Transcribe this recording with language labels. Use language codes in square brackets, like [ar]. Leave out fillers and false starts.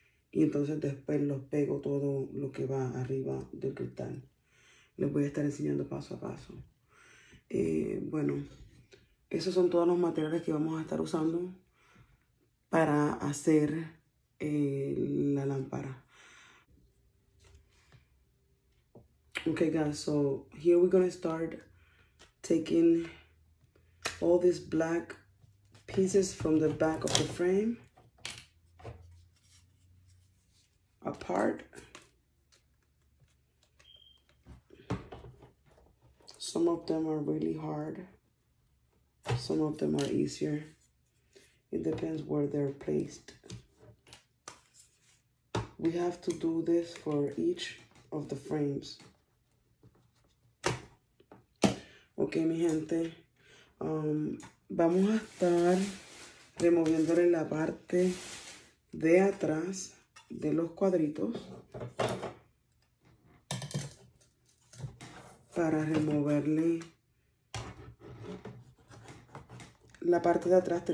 [es] Y entonces después los pego todo lo que va arriba del cristal. Les voy a estar enseñando paso a paso. Bueno, esos son todos los materiales que vamos a estar usando para hacer la lámpara. [en] Okay guys, so here we're gonna start taking all these black pieces from the back of the frame apart. Some of them are really hard, some of them are easier. It depends where they're placed. We have to do this for each of the frames. [es] Ok, mi gente, vamos a estar removiéndole la parte de atrás de los cuadritos para removerle la parte de atrás.